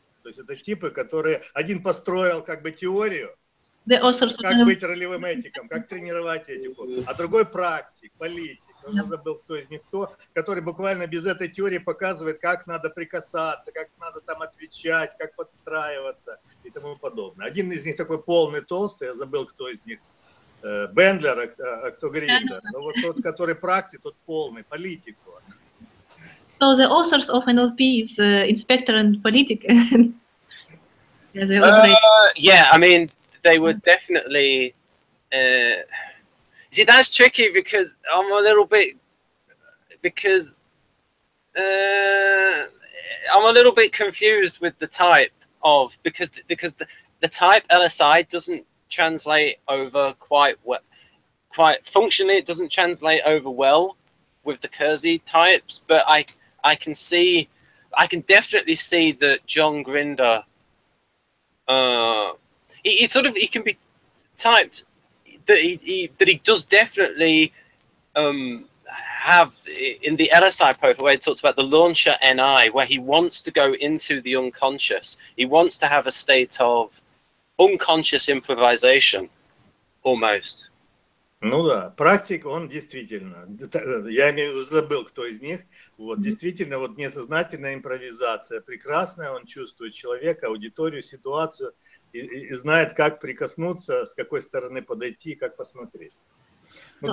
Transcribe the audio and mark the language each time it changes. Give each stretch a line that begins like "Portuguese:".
Russian: То есть это типы, которые один построил как бы теорию, как быть ролевым этиком, как тренировать этику, а другой практик, политик, я уже забыл, кто из них кто, который буквально без этой теории показывает, как надо прикасаться, как надо там отвечать, как подстраиваться и тому подобное. Один из них такой полный толстый, я забыл, кто из них. Бендлер, а кто Гриндер? Но вот тот, который практик, тот полный политик.
English: So the authors of NLP is inspector and politic. I mean, they would definitely. See, that's tricky because I'm a little bit confused with the type of because the type LSI doesn't translate over quite functionally. It doesn't translate over well with the Kersey types, but I can definitely see that John Grinder he can be typed that he does definitely have in the LSI paper where he talks about the launcher NI, where he wants to go into the unconscious, he wants to have a state of unconscious improvisation, almost.
Russian: Ну да, практик, он действительно, я имею в виду, забыл, кто из них, вот действительно, вот несознательная импровизация прекрасная, он чувствует человека, аудиторию, ситуацию и знает, как прикоснуться, с какой стороны подойти, как посмотреть. Ну да.